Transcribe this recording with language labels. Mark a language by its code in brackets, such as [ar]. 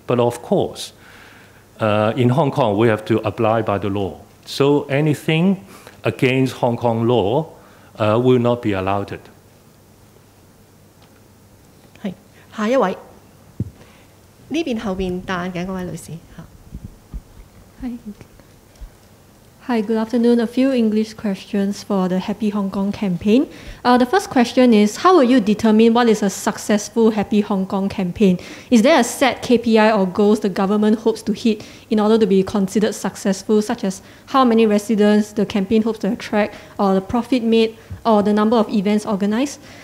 [en] But of course, in Hong Kong, we have to apply by the law. So anything against Hong Kong law will not be allowed. [yue] 下一位，呢边后边戴眼镜嗰位女士，吓。 [en] Hi, good afternoon. A few English questions for the Happy Hong Kong campaign. The first question is, how will you determine what is a successful Happy Hong Kong campaign? Is there a set KPI or goals the government hopes to hit in order to be considered successful, such as how many residents the campaign hopes to attract, or the profit made, or the number of events organized?